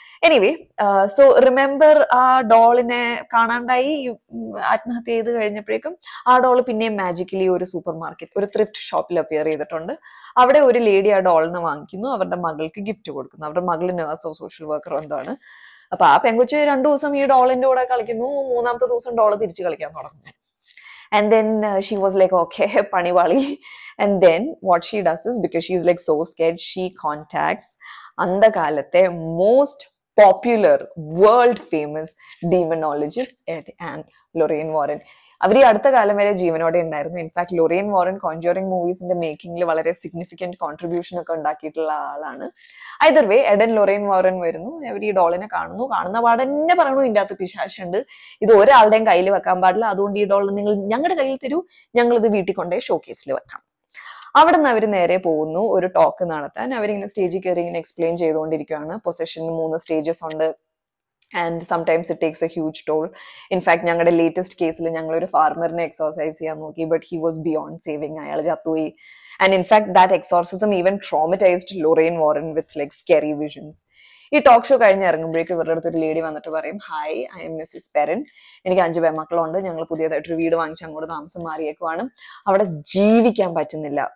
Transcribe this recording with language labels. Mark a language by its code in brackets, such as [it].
[ml] Anyway so remember ആ ഡോളിനെ കാണാണ്ടായി, ആത്മഹത്യ ചെയ്ത് കഴിഞ്ഞപ്പോഴേക്കും ആ ഡോള് പിന്നെയും മാജിക്കലി ഒരു സൂപ്പർ മാർക്കറ്റ്, ഒരു ത്രിഫ്റ്റ് ഷോപ്പിൽ അപ്പിയർ ചെയ്തിട്ടുണ്ട്. അവിടെ ഒരു ലേഡി ആ ഡോളിനെ വാങ്ങിക്കുന്നു, അവരുടെ മകൾക്ക് ഗിഫ്റ്റ് കൊടുക്കുന്നു. അവരുടെ മകള് നേഴ്സോ സോഷ്യൽ വർക്കറോ എന്താണ്. അപ്പൊ ആ പെങ്കുച്ച് രണ്ടു ദിവസം ഈ ഡോളിന്റെ കൂടെ കളിക്കുന്നു, മൂന്നാമത്തെ ദിവസം ഡോള് തിരിച്ച് കളിക്കാൻ തുടങ്ങുന്നു. [en] And then she was like, okay, Paniwali. And then what she does is, because she's like so scared, she contacts Andakalate most popular, world famous demonologist at and Lorraine Warren. [ml] അവർ ഈ അടുത്ത കാലം വരെ ജീവനോടെ ഉണ്ടായിരുന്നു. In fact Lorraine Warren conjuring മൂവീസിന്റെ മേക്കിംഗിൽ വളരെ significant contribution ഒക്കെ ഉണ്ടാക്കിയിട്ടുള്ള ആളാണ്. ഐദർ വേ എഡൻ ലൊറൈൻ വാറൻ വരുന്നു, അവർ ഈ ഡോളിനെ കാണുന്നു, കാണുന്ന പാടെ തന്നെ പറയണു ഇതിൻ്റെ അകത്ത് പിശാശുണ്ട്, ഇത് ഒരാളുടെയും കയ്യിൽ വെക്കാൻ പാടില്ല, അതുകൊണ്ട് ഈ ഡോൾ നിങ്ങൾ ഞങ്ങളുടെ കയ്യിൽ തരൂ, ഞങ്ങളിത് വീട്ടിൽ കൊണ്ടുപോയി ഷോക്കേസിൽ വെക്കാം. അവിടെ നിന്ന് അവർ നേരെ പോകുന്നു ഒരു ടോക്ക് നടത്താൻ. അവരിങ്ങനെ സ്റ്റേജിൽ കയറി ഇങ്ങനെ എക്സ്പ്ലെയിൻ ചെയ്തുകൊണ്ടിരിക്കുകയാണ്, പൊസഷന് മൂന്ന് സ്റ്റേജസ് ഉണ്ട്. [en] And sometimes it takes a huge toll. In fact, [ml] ഞങ്ങളുടെ ലേറ്റസ്റ്റ് കേസിൽ ഞങ്ങൾ ഒരു ഫാർമറിനെ എക്സോർസൈസ് ചെയ്യാൻ നോക്കി, [en] but he was beyond saving, [ml] അയാൾ ചത്തുപോയി. [en] And in fact that exorcism even traumatised Lorraine Warren with like scary visions. [ml] ഈ ടോക്ക് ഷോ കഴിഞ്ഞ് ഇറങ്ങുമ്പോഴേക്ക് ഇവരുടെ അടുത്ത് ഒരു ലേഡി വന്നിട്ട് പറയും, [en] hi I am Mrs Perron, [ml] എനിക്ക് അഞ്ച് പെമ്മക്കളുണ്ട്, ഞങ്ങൾ പുതിയതായിട്ടൊരു വീട് വാങ്ങിച്ച് അങ്ങോട്ട് താമസം മാറിയേക്കുവാണ്, അവിടെ ജീവിക്കാൻ പറ്റുന്നില്ല.